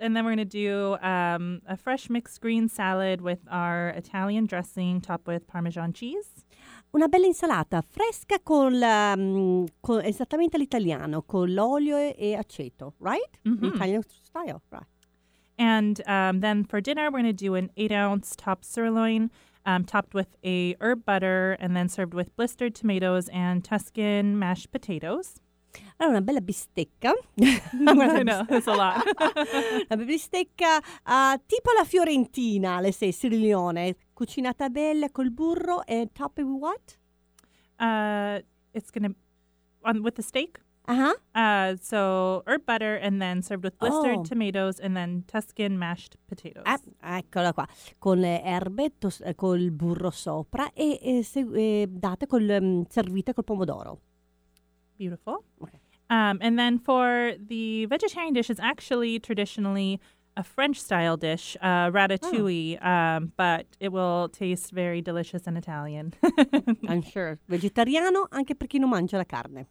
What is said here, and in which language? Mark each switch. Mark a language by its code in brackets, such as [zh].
[en] And then we're going to do a fresh mixed green salad with our Italian dressing topped with Parmesan cheese. [it] Una bella insalata fresca con esattamente l'italiano, con l'olio e aceto, right? Mm-hmm. [en] Italian style, right. And then for dinner, we're going to do an 8-ounce topped sirloin, topped with a herb butter, and then served with blistered tomatoes and Tuscan mashed potatoes. [it] Allora, una bella bistecca. [en] I know, that's a lot. [it] Una bella bistecca tipo la fiorentina, le sei, sirlione. Cucinata bella col burro e [en] topped with what? It's gonna with the steak. Uh-huh. So herb butter and then served with blistered tomatoes and then Tuscan mashed potatoes. [it] Eccola qua. Con le erbe, col burro sopra servita col pomodoro. [en] Beautiful. Okay. And then for the vegetarian dish, it's actually traditionally a French-style dish, ratatouille, but it will taste very delicious in Italian. I'm sure. [it] Vegetariano, anche per chi non mangia la carne.